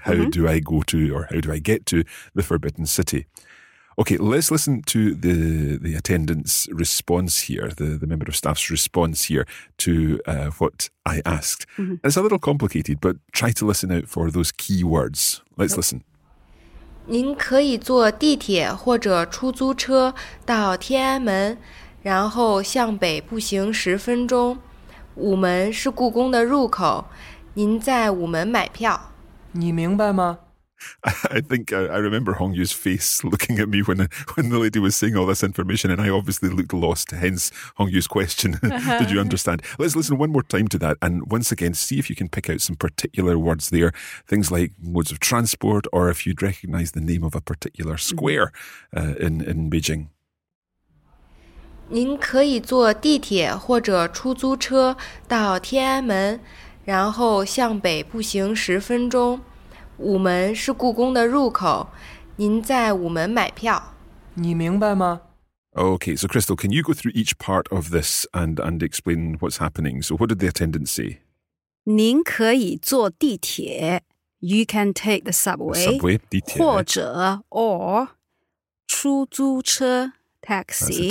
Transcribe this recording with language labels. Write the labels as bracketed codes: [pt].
[en] How do I go to, or how do I get to the Forbidden City? Okay, let's listen to the attendant's response here, the member of staff's response here to what I asked. Mm-hmm. It's a little complicated, but try to listen out for those key words. Let's listen. [zh] 您可以坐地铁或者出租车到天安门，然后向北步行十分钟。午门是故宫的入口，您在午门买票。你明白吗? [en] I think I remember Hong Yu's face looking at me when the lady was saying all this information, and I obviously looked lost, hence Hong Yu's question. Did you understand? Let's listen one more time to that, and once again, see if you can pick out some particular words there, things like modes of transport, or if you'd recognize the name of a particular square in Beijing. [zh] 您可以坐地铁或者出租车到天安门。然后向北步行十分钟，午门是故宫的入口，您在午门买票。你明白吗? [en] Okay, so Crystal, can you go through each part of this and explain what's happening? So what did the attendant say? [zh] 您可以坐地铁, [en] you can take the subway, the subway, [zh] 地铁, 或者 [en] or [zh] 出租车, [en] taxi,